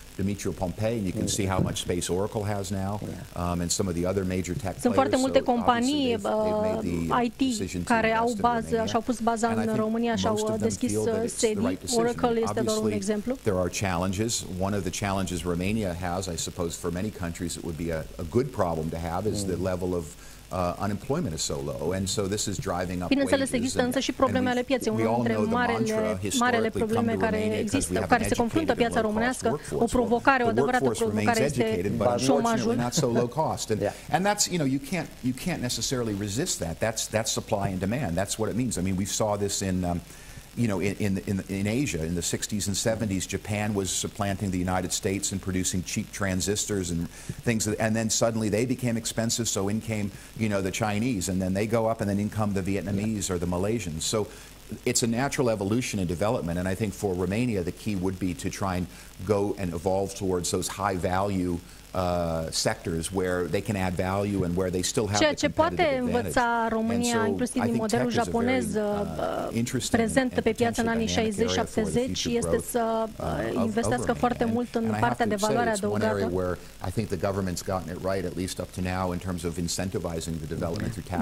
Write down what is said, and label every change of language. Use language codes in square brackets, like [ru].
[en] Dimitru Pompei, and you can see how much space Oracle has now, and some of the other major tech [ro] sunt foarte multe companii IT care au bază și au pus baza în România și au deschis sedii. Oracle este doar un exemplu. [en] There are challenges. One of the challenges Romania has, I suppose, for many countries, it would be a good problem to have, is the level of unemployment is so low, and so this is driving up wages. [ro] Există însă și probleme ale pieței. Unul dintre marele probleme care există, care se confruntă piața românească, o provocare, o adevărată provocare este șomajul. [en] Not so low cost, and that's you can't necessarily resist that. That's supply and demand. That's what it means. I mean, we saw this in Asia in the 60s and 70s. Japan was supplanting the United States and producing cheap transistors and things that, and then suddenly they became expensive, so in came the Chinese, and then they go up, and then in come the Vietnamese or the Malaysians. So it's a natural evolution and development, and I think for Romania the key would be to try and go and evolve towards those high value sectors where they can add value and where they still have [ro] ce poate învăța România, inclusiv din modelul japonez prezent pe piața în anii 60-70, este să investească foarte mult în partea de valoare adăugată. [en] I think the government's gotten it right, at least up to now, in terms of incentivizing the development through tax.